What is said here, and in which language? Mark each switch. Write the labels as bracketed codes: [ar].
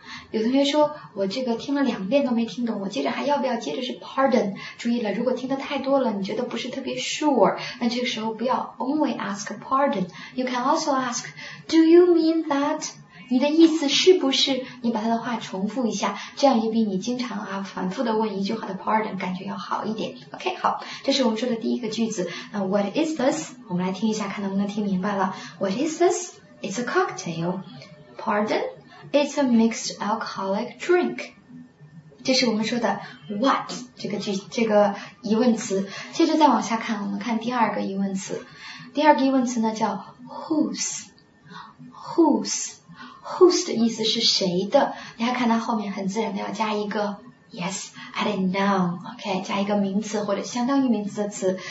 [zh] 有同学说我这个听了两遍都没听懂，我接着还要不要接着是 pardon， 注意了，如果听得太多了你觉得不是特别 sure， 那这个时候不要 [en] only ask pardon， you can also ask do you mean that， [zh] 你的意思是不是，你把他的话重复一下，这样也比你经常啊反复的问一句话的 pardon 感觉要好一点。 OK， 好，这是我们说的第一个句子。那 [en] what is this， [zh] 我们来听一下看能不能听明白了。 [en] what is this， it's a cocktail， pardonIt's a mixed alcoholic drink. [zh] 这是我们说的 what 这个句这个疑问词。接着再往下看，我们看第二个疑问词。第二个疑问词呢叫 whose， whose， whose 的意思是谁的？你还看到后面很自然的要加一个 [en] yes， I didn't know， OK， [zh] 加一个名词或者相当于名词的词。